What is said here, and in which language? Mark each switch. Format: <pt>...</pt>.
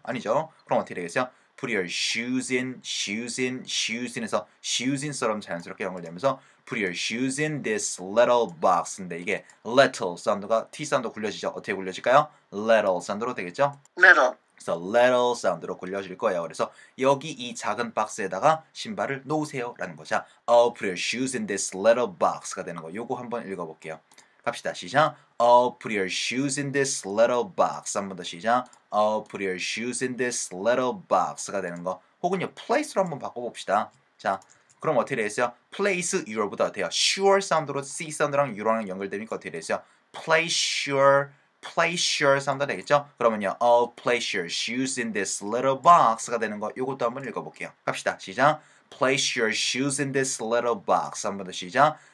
<ko>아니죠. 그럼 어떻게 되겠어요?</ko> <en>Put your shoes in,</en> <ko>shoes in, shoes in 해서 shoes in처럼 자연스럽게 연결되면서</ko> <en>Put your shoes in this little box</en> <ko>인데 이게 little 사운드가 T 사운드 굴려지죠? 어떻게 굴려질까요? Little 사운드로 되겠죠?</ko> <en>Little.</en> <ko>그래서 little 사운드로 굴려질 거예요. 그래서 여기 이 작은 박스에다가 신발을 놓으세요 라는 거죠.</ko> <en>I'll put your shoes in this little box</en> <ko>가 되는 거 요거 한번 읽어볼게요. 갑시다. 시작.</ko> <en>I'll put your shoes in this little box.</en> <ko>한 번 더 시작.</ko> <en>I'll put your shoes in this little box가</en> <ko>되는 거. 혹은요, place로 한번 바꿔봅시다. 자, 그럼 어떻게 되겠어요?</ko> <en>Place your</en> <ko>보다 어때요? Sure 사운드로 C 사운드랑 your랑 연결되니까 어떻게 되겠어요?</ko> <en>Place your, place your</en> <ko>사운드가 되겠죠? 그러면요,</ko> <en>I'll place your shoes in this little box가</en> <ko>되는 거. 이것도 한번 읽어볼게요. 갑시다. 시작.</ko> <en>Place your shoes in this little box.</en> <ko>한 번 더 시작.</ko>